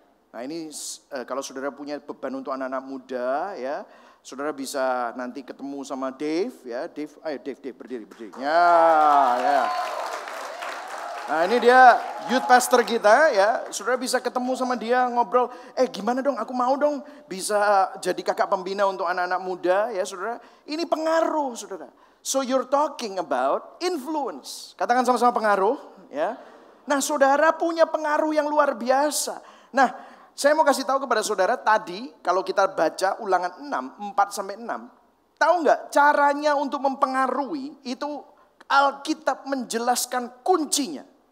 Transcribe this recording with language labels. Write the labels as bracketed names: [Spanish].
[Indonesian] Nah ini kalau saudara punya beban untuk anak-anak muda ya, saudara bisa nanti ketemu sama Dave ya. Dave berdiri. Ya, ya. Nah ini dia youth pastor kita ya. Saudara bisa ketemu sama dia, ngobrol. Gimana dong, aku mau dong bisa jadi kakak pembina untuk anak-anak muda ya saudara. Ini pengaruh saudara. [English] So you're talking about influence. [Indonesian] Katakan sama-sama pengaruh ya. Nah saudara punya pengaruh yang luar biasa. Nah saya mau kasih tahu kepada saudara tadi kalau kita baca Ulangan 4-6. Tahu gak caranya untuk mempengaruhi itu Alkitab menjelaskan kuncinya.